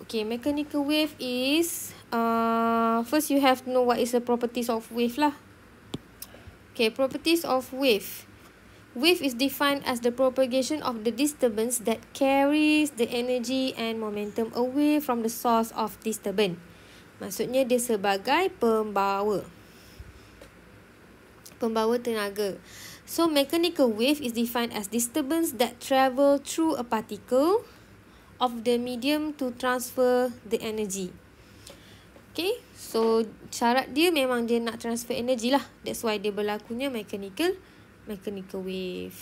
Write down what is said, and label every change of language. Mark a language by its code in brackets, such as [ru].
[en] Okay, mechanical wave is first you have to know what is the properties of wave lah. Okay, properties of wave. Wave is defined as the propagation of the disturbance that carries the energy and momentum away from the source of disturbance. [ms] Maksudnya dia sebagai pembawa, pembawa tenaga. [en] So mechanical wave is defined as disturbance that travel through a particle of the medium to transfer the energy. [ms] Okay, so syarat dia memang dia nak [en] transfer energy [ms] lah. [en] That's why [ms] dia berlakunya [en] mechanical wave.